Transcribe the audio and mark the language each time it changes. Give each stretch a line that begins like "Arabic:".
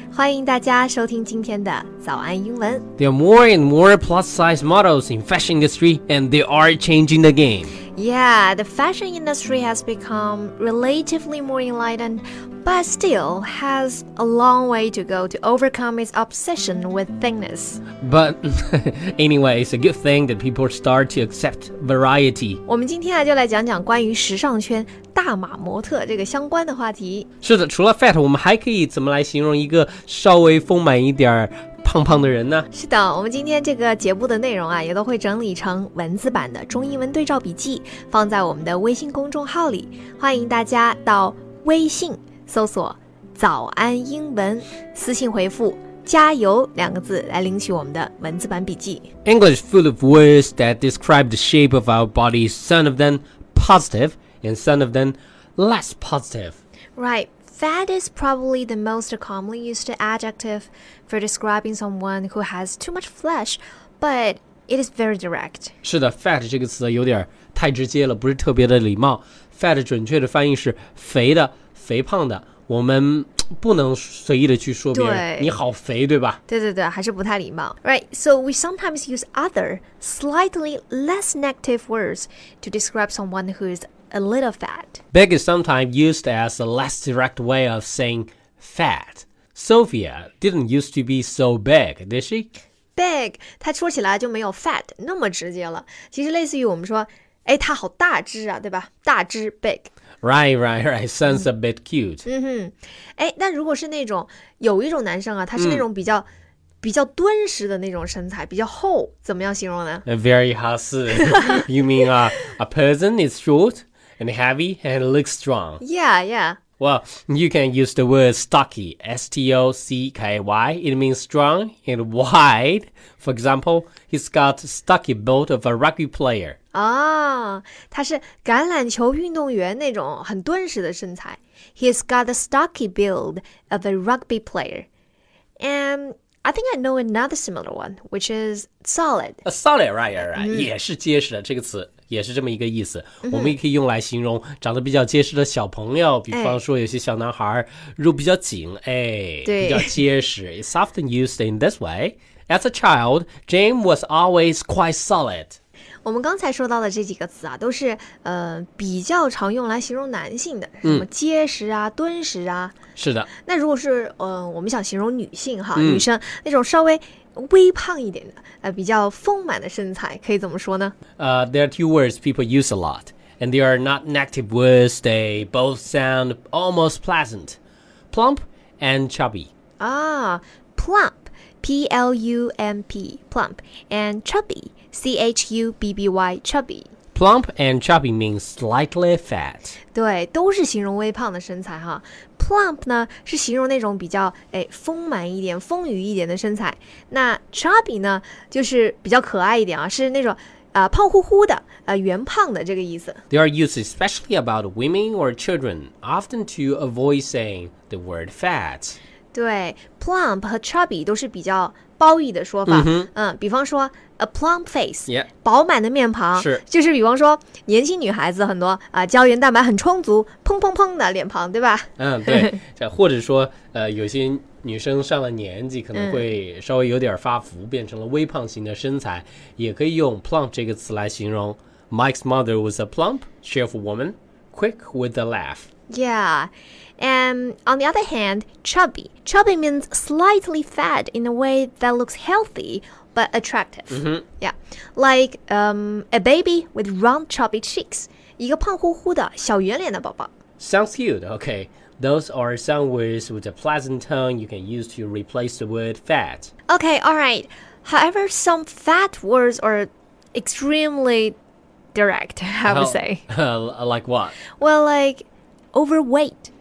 Chinese: 欢迎大家收听今天的早安英文。
English: There are more and more plus size models in fashion industry, and they are changing the game. Yeah, the fashion industry has become relatively more enlightened, but still has a long way to go to overcome its obsession with thinness. But anyway, it's a good thing that people start to accept variety.
Chinese: 我们今天就来讲讲关于时尚圈大码模特这个相关的话题。是的，除了 fat, 我们还可以怎么来形容一个稍微丰满一点胖胖的人呢？是的，我们今天这个节目的内容啊，也都会整理成文字版的中英文对照笔记，放在我们的微信公众号里，欢迎大家到微信搜索早安英文，私信回复加油两个字来领取我们的文字版笔记。
English: English full of words that describe the shape of our bodies, some of them positive and some of them less positive. Right. Fat is probably the most commonly used adjective for describing someone who has too much flesh, but it is very direct.
Chinese: 是的 ,fat 这个词有点太直接了,不是特别的礼貌。 Fat 准确的翻译是肥的,肥胖的。我们不能随意的去说别人你好肥对吧对对对还是不太礼貌
English: Right, so we sometimes use other, slightly less negative words to describe someone who is a little fat. Big is sometimes used as a less direct way of saying fat. Sophia didn't used to be so big, did she?
Chinese: Big, 她说起来就没有 fat 那么直接了。其实类似于我们说哎，他好大只啊，对吧？大只 big.
English: Right, right, right. Sounds a bit cute.
Chinese: 嗯哼，哎，但如果是那种有一种男生啊，他是那种比较敦实的那种身材，比较厚，怎么样形容呢
English: ？Very husky. You mean a person is short and heavy and looks strong? Yeah, yeah. Well, you can use the word stocky, S-T-O-C-K-Y. It means strong and wide. For example, he's got stocky build of a rugby player.
Chinese: 哦、他是橄榄球运动员那种很敦实的身材
English: He's got the stocky build of a rugby player And I think I know another similar one Which is solid
Chinese: Solid, right, right, right、也是结实的这个词也是这么一个意思、我们也可以用来形容长得比较结实的小朋友比方说有些小男孩肉比较紧、对比较结实
English: It's often used in this way As a child, James was always quite solid
Chinese: 我们刚才说到的这几个词啊都是比较常用来形容男性的什么结实啊敦实啊是的那如果是我们想形容女性哈女生那种稍微微胖一点的比较丰满的身材可以怎么说呢
English: there are two words people use a lot and they are not negative words they both sound almost pleasant plump and chubby plump P-L-U-M-P plump and chubbyC-H-U-B-B-Y, chubby. Plump and chubby means slightly fat.
Chinese: 对,都是形容微胖的身材哈。Plump 呢,是形容那种比较丰满一点,丰腴一点的身材。那 chubby 呢,就是比较可爱一点啊,是那种胖乎乎的,圆胖的这个意思。
English: They are used especially about women or children, often to avoid saying the word fat.
Chinese: 对 ,plump 和 chubby 都是比较褒义的说法。比方说
English: A plump face,、
Chinese: 饱满的面庞是就是比方说年轻女孩子很多、胶原蛋白很充足砰砰砰的脸庞对吧对或者说、有些女生上了年纪可能会稍微有点发福、变成了微胖型的身材也可以用 plump 这个词来形容
English: Mike's mother was a plump, cheerful woman, quick with a laugh. Yeah, and on the other hand, chubby. Chubby means slightly fat in a way that looks healthy,But attractive,、yeah, like a baby with round, chubby cheeks.
Chinese: 一个胖乎乎的小圆脸的宝宝
English: Sounds cute. Okay, those are some words with a pleasant tone you can use to replace the word fat. Okay, all right. However, some fat words are extremely direct. I would say. Like what? Well, like overweight.